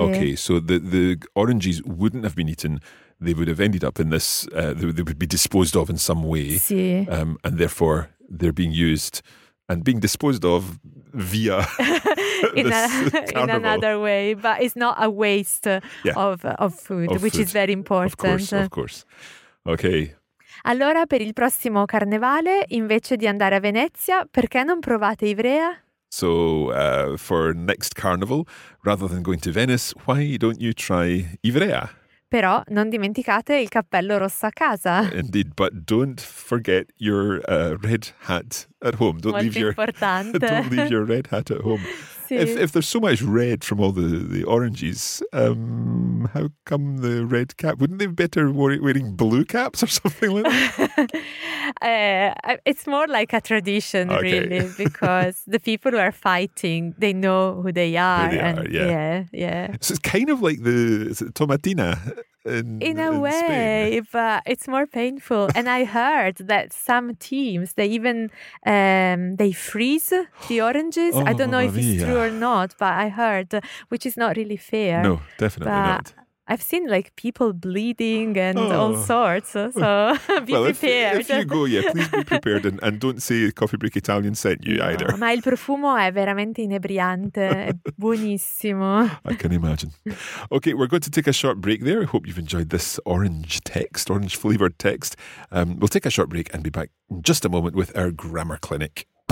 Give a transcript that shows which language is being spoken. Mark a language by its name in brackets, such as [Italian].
[English] Okay, so the oranges wouldn't have been eaten. They would have ended up in this, they would be disposed of in some way. [Italian] Sì. [English] And therefore, they're being used and being disposed of via in another way, but it's not a waste yeah. of food, of which food. Is very important. Of course. Okay. [Italian] Allora, per il prossimo carnevale, invece di andare a Venezia, perché non provate Ivrea? [English] So, for next carnival, rather than going to Venice, why don't you try Ivrea? [Italian] Però non dimenticate il cappello rosso a casa. [English] Indeed, but don't forget your red hat at home. Don't [Italian] Molto [English] leave [Italian] importante. [English] Your don't leave your red hat at home. If there's so much red from all the oranges, how come the red cap? Wouldn't they be better wearing blue caps or something like that? It's more like a tradition, okay. Really, because the people who are fighting, they know who they are. So it's kind of like the tomatina. In a way, Spain. But it's more painful. And I heard that some teams, they even they freeze the oranges. Oh, I don't know if it's true or not, but I heard, which is not really fair. No, definitely but not. I've seen like people bleeding and all sorts. So be prepared. If you go, please be prepared and don't say Coffee Break Italian sent you either. [Italian] Ma il profumo è veramente inebriante, è buonissimo. [English] I can imagine. Okay, we're going to take a short break there. I hope you've enjoyed this orange flavored text. We'll take a short break and be back in just a moment with our grammar clinic.